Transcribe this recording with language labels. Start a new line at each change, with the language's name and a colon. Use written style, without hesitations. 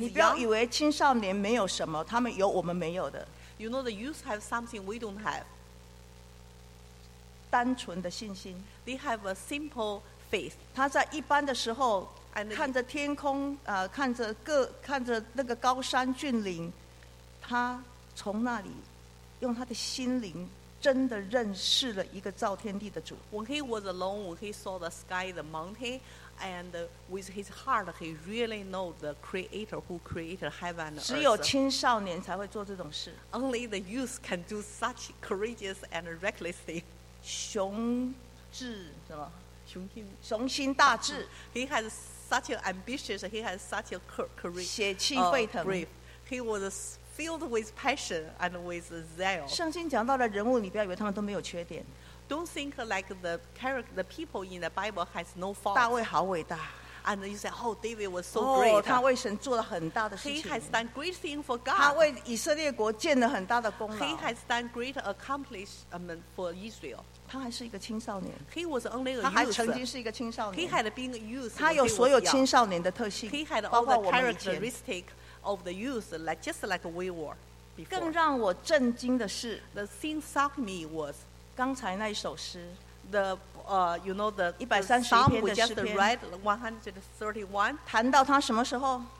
Chinese: 你不要以为青少年没有什么，他们有我们没有的。
English: You know, the youth have something we don't have.
Chinese: 单纯的信心
English: They have a simple faith.
Chinese: 他在一般的时候看着天空看着那个高山峻岭他从那里用他的心灵真的认识了一个造天地的主
English: When he was alone, when he saw the sky, the mountain, and with his heart, he really know the creator who created heaven and earth.
Chinese: 只有青少年才会做这种事
English: Only the youth can do such courageous and reckless thing.
Chinese: 雄志什么？雄心大志。
English: He has such an ambitious. He has such a courage.
Chinese: 血气沸腾。
English: He was filled with passion and with zeal.
Chinese: 圣经讲到的人物，你不要以为他们都没有缺点。
English: Don't think like the character, the people in the Bible has no fault.
Chinese: 大卫好伟大。
English: And you say, "Oh, David was so great."
Chinese: Oh, 他为神做了很大的事情。
English: He has done great things for God.
Chinese: 他为以色列国建了很大的功劳。
English: He has done great accomplishment for Israel.
Chinese: 他还是一个青少年。
English: He was only a youth.
Chinese: 他还曾经是一个青少年。
English: He had been a youth.
Chinese: 他有所有青少年的特性。
English: He had all the characteristics of the youth, like just like we were before.
Chinese: 更让我震惊的是
English: ，The thing shocked me was
Chinese: 刚才那一首诗。
English: The you know the 131 Psalm we just read 131.